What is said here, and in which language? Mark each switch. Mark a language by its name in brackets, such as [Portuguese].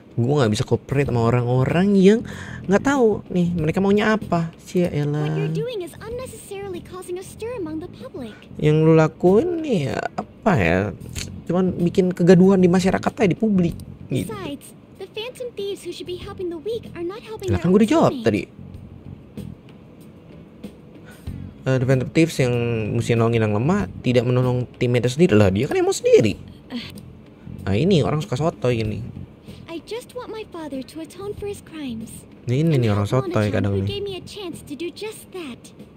[Indonesian] Gua nggak bisa cooperate sama orang-orang yang nggak tahu nih mereka maunya apa. Sia, Ella. [English] What you're doing is unnecessarily causing a stir among the public. [Indonesian] Yang lu lakuin nih ya, apa ya? Cuman bikin kegaduhan di masyarakat aja, di publik. Gitu. [English] Besides, the phantom thieves who should be helping the weak are not helping. [Indonesian] Lah kan gua udah jawab tadi. Defensive Thieves yang mesti nolongin yang lemah tidak menolong timnya sendiri lah, dia kan emang sendiri. Nah ini orang suka sotoy ini. [English] I just want my father to atone for his crimes. [Indonesian] Nah, ini nih orang sotoy kadang nih. [English] He gave me a chance to do just that.